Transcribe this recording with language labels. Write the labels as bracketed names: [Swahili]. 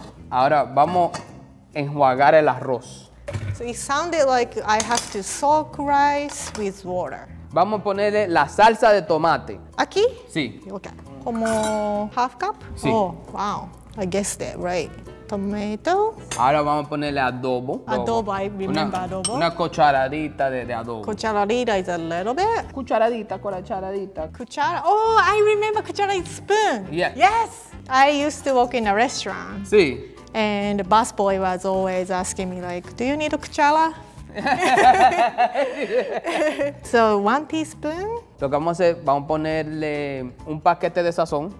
[Spanish] Ahora vamos a enjuagar el arroz. [English] It sounded like I have to soak rice with water. [Spanish] Vamos a ponerle la salsa de tomate. ¿Aquí? Sí. [English] Okay. Como 1/2 cup? [Spanish] Sí. [English] Oh, wow. I guessed it, right. tomato. [Spanish] Ahora vamos a ponerle adobo. [English] Adobo, I remember una, adobo. [Spanish] Una cucharadita de adobo. [English] Cucharadita is a little bit. [Spanish] Cucharadita, cucharadita. [English] Cuchara, oh, I remember cucharadita, spoon. Yeah. Yes. I used to work in a restaurant. [Spanish] Sí. [English] And the busboy was always asking me like, do you need a cuchara? So, one teaspoon. [Spanish] Lo que vamos a hacer, vamos a ponerle un paquete de sazón.